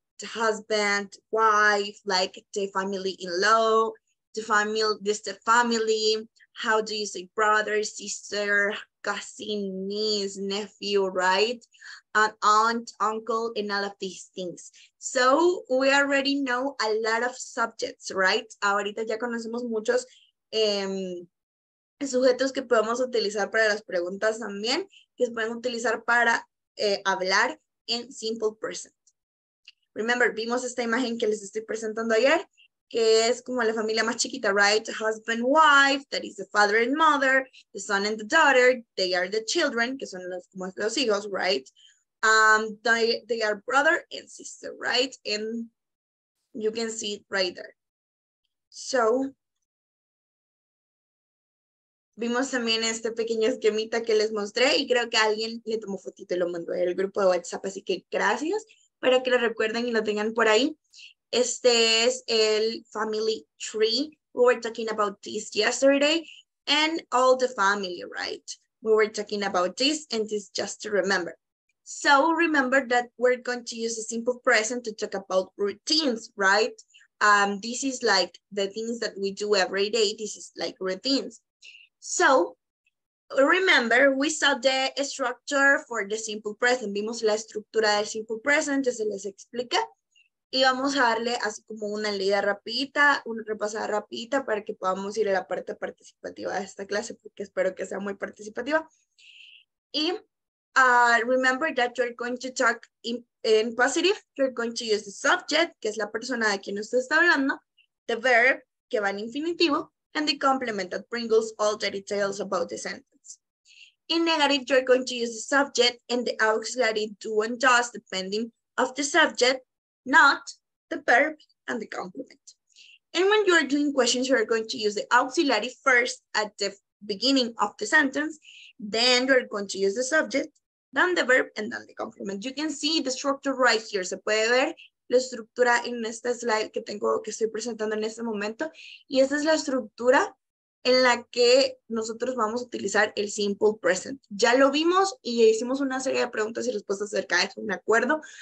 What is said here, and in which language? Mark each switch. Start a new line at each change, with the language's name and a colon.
English: the husband, wife, like the family in law, the family, this the family, how do you say brother, sister, cousin, niece, nephew, right? An aunt, uncle, and all of these things. So we already know a lot of subjects, right?
Spanish: Ahorita ya conocemos muchos sujetos que podemos utilizar para las preguntas también, que se pueden utilizar para hablar en simple present. Remember, vimos esta imagen que les estoy presentando ayer, que es como la familia más chiquita, right?
English: Husband, wife, that is the father and mother, the son and the daughter, they are the children,
Spanish: que son los, como los hijos,
English: right? They are brother and sister, right? And you can see it right there.
Spanish: So, vimos también este pequeño esquemita que les mostré y creo que alguien le tomó fotito y lo mandó al grupo de WhatsApp, así que gracias para que lo recuerden y lo tengan por ahí. Este es el family tree.
English: We were talking about this yesterday and all the family, right? We were talking about this and this just to remember. So remember that we're going to use a simple present to talk about routines, right? This is like the things that we do every day. This is like routines. So remember, we saw the structure for the simple present.
Spanish: Vimos la estructura del simple present, ya se les explica. Y vamos a darle así como una leída rapidita, una repasada rapidita para que podamos ir a la parte participativa de esta clase, porque espero que sea muy participativa.
English: Y remember that you're going to talk in positive, you're going to use the subject,
Spanish: que es la persona de quien usted está hablando,
English: the verb,
Spanish: que va en infinitivo,
English: and the complement that brings all the details about the sentence. In negative, you're going to use the subject and the auxiliary do and does depending of the subject, not the verb and the complement. And when you're doing questions, you're going to use the auxiliary first at the beginning of the sentence, then you're going to use the subject, then the verb, and then the complement. You can see the structure right here.
Spanish: Se puede ver la estructura en esta slide que tengo, que estoy presentando en este momento. Y esta es la estructura en la que nosotros vamos a utilizar el simple present. Ya lo vimos y hicimos una serie de preguntas y respuestas acerca de eso, me acuerdo.